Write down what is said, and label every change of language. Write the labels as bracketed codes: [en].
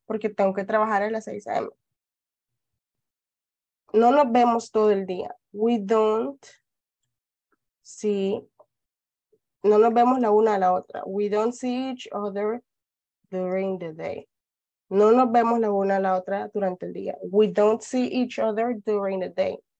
[es] Porque tengo que trabajar a las 6 a.m. No nos vemos todo el día. [en] We don't see. [es] No nos vemos la una a la otra. [en] We don't see each other during the day. [es] No nos vemos la una a la otra durante el día. [en] We don't see each other during the day.